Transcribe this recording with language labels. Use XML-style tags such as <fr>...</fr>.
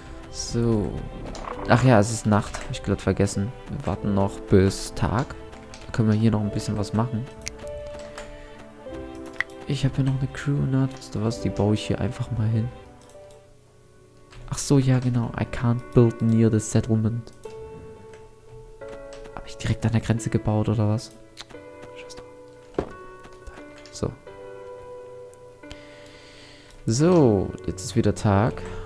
<de>So. Ach ja, es ist Nacht. Hab ich gerade vergessen. Wir warten noch bis Tag. Können wir hier noch ein bisschen was machen? Ich habe hier noch eine Crew, ne? Weißt du was? Die baue ich hier einfach mal hin. Ach so, ja, genau.</de> <en>I can't build near the settlement.</en> <de>Habe ich direkt an der Grenze gebaut oder was? Scheiß drauf. So. So, jetzt ist wieder Tag.</de>